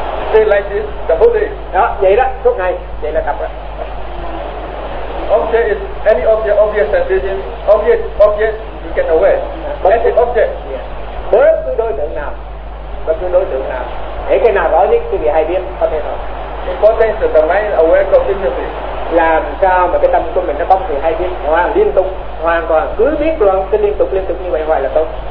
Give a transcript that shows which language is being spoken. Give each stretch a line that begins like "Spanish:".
English: Stay like this the whole day.
Vietnamese: Đó, vậy đó, suốt ngày. Vậy là tập đó.
English: Object is any object, obvious sensation, obvious, object you can aware. Any object.
Vietnamese: Bất cứ đối tượng nào. Bất cứ đối tượng nào. Để cái nào rõ nhất, quý vị hay biết, có thể nào.
English: Important is the mind aware continuously.
Vietnamese: Làm sao mà cái tâm của mình nó bốc thì hay biết, hoàn liên tục, hoàn toàn, cứ biết luôn, cứ liên tục như vậy hoài là tốt.